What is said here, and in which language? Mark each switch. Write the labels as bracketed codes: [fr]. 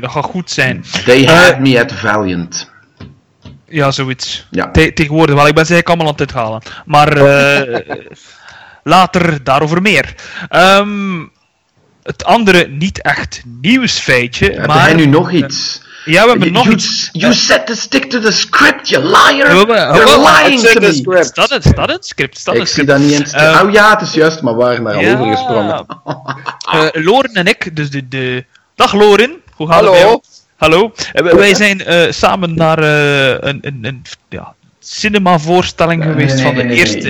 [nl] Dat gaat goed zijn. [en] They had me at Valiant. [nl] Ja, zoiets. Ja. Tegenwoordig wel. Ik ben ze eigenlijk allemaal aan het uithalen. Maar later daarover meer. Het andere niet echt nieuws feitje. Hebben maar, jij nu nog iets? Ja, we hebben nog iets. [en] You set the stick to the script, you liar! You're lying to me! [nl] Is dat het script? Ik zie dat niet eens. Oh ja, het is juist, maar waar naar ja, overgesprongen. Loren en ik, dus de dag Loren, hoe gaat het bij jou? Hallo. Wij zijn samen naar een cinemavoorstelling geweest van de eerste.